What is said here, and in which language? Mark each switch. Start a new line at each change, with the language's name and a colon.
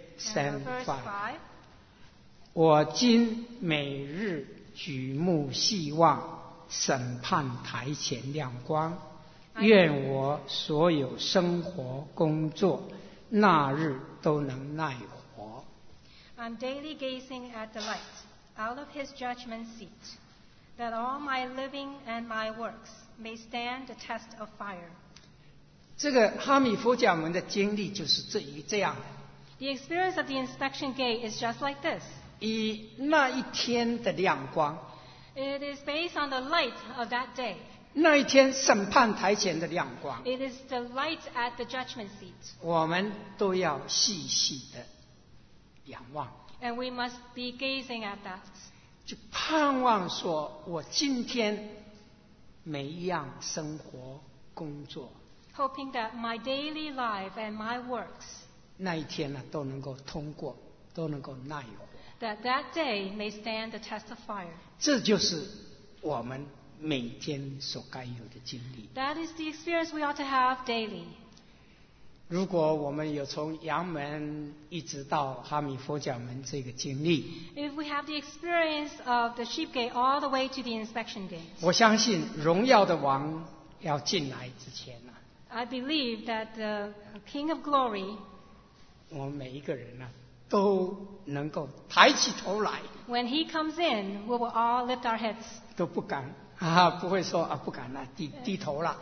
Chinese: ，75。我今每日举目细望审判台前亮光，愿我所有生活工作那日都能耐活。
English: I'm daily gazing at the light out of His judgment seat, that all my living and my works. May stand the test of fire.
Chinese: 这个哈米佛甲门的经历就是这一这样的。
English: The experience of the inspection gate is just like this.
Chinese: 以那一天的亮光。
English: It is based on the light of that day.
Chinese: 那一天审判台前的亮光。
English: It is the light at the judgment seat.
Chinese: 我们都要细细的仰望。
English: And we must be gazing at that.
Chinese: 就盼望说，我今天。每一样生活工作
English: hoping that my daily life and my works
Chinese: 那一天呢都能够通过都能够耐火
English: that day may stand the test of fire
Chinese: 这就是我们每天所该有的经历
English: that is the experience we ought to have daily
Chinese: 如果我们有从阳门一直到哈米佛甲门这个经历
English: if we have the experience of the sheep gate all the way to the inspection gate
Chinese: 我相信荣耀的王要进来之前、啊、
English: I believe that the King of Glory,
Chinese: 我们每一个人啊，都能够抬起头来。
English: When he comes in, we will all lift our heads.
Chinese: 都不敢啊，不会说啊，不敢了、啊，低头了。